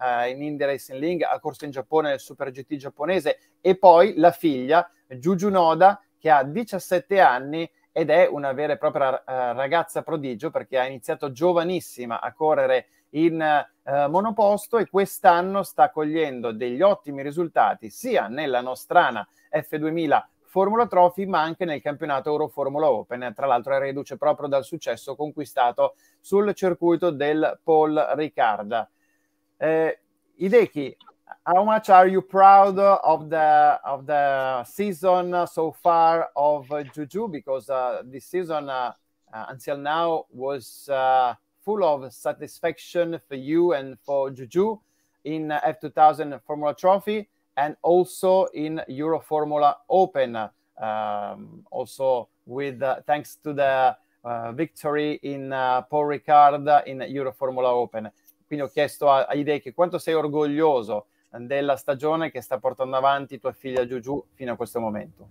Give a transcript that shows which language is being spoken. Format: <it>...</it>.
<it>in Indy Racing League, ha corso in Giappone nel Super GT giapponese e poi la figlia Juju Noda, che ha 17 anni ed è una vera e propria ragazza prodigio, perché ha iniziato giovanissima a correre in monoposto e quest'anno sta cogliendo degli ottimi risultati sia nella nostrana F2000 Formula Trophy ma anche nel campionato Euro Formula Open. Tra l'altro è reduce proprio dal successo conquistato sul circuito del Paul Ricard.</it> <en>Hideki, how much are you proud of the season so far of Juju? Because this season until now was full of satisfaction for you and for Juju in F2000 Formula Trophy and also in Euro Formula Open, also with thanks to the victory in Paul Ricard in Euro Formula Open.</en> <it>Quindi ho chiesto a Hideki quanto sei orgoglioso della stagione che sta portando avanti tua figlia Juju fino a questo momento.</it>